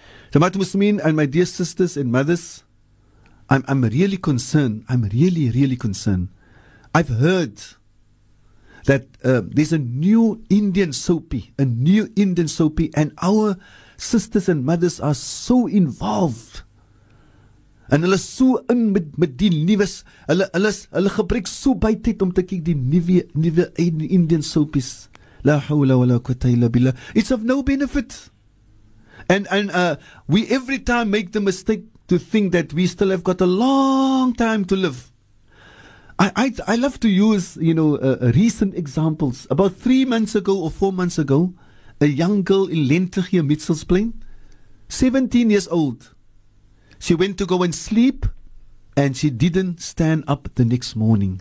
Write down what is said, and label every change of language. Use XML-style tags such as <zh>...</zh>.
<en>So my Muslimin and my dear sisters and mothers, I'm really concerned. I'm really, really concerned. I've heard that there's a new Indian soapy, and our sisters and mothers are so involved.</en> <af>And hulle so in met die nuwe, hulle gebruik so baie tyd om te kyk die nuwe Indian soapies.</af> <ar>La hawla wala quwwata illa billah.</ar> <en>It's of no benefit. And we every time make the mistake to think that we still have got a long time to live. I love to use, you know, recent examples. About 3 months ago or 4 months ago, a young girl in Lentegier, Mitchellsplein, 17 years old, she went to go and sleep and she didn't stand up the next morning.</en>